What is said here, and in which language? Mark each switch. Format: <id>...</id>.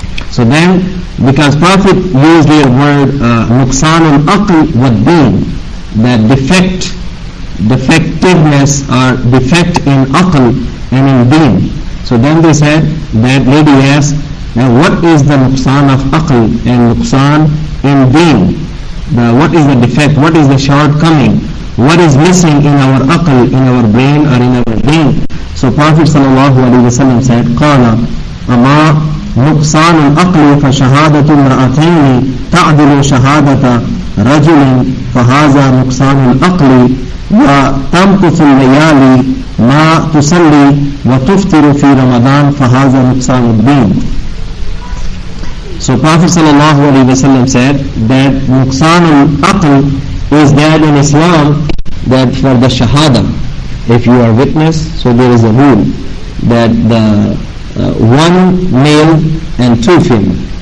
<en>So then, because Prophet used the word nuqsan al-aql wad-deen, that defectiveness or defect in aql and in deen. So then they said, that lady asked, now what is the nuqsan of aql and nuqsan in deen? What is the defect, what is the shortcoming, what is missing in our aql, in our brain or in our deen?</en> <ar>So Prophet sallallahu alayhi wa sallam said, qala amma نقصان الأقل فشهادة امرأتين تعدل شهادة رجل فهذا نقصان الأقل وتمكث الليالي ما تصلي وتفطر في رمضان فهذا نقصان الدين.</ar> <en>So Prophet صلى الله عليه وسلم said that نقصان الأقل is that in Islam, that for the shahada, if you are witness, so there is a rule that the one male and two female.</en>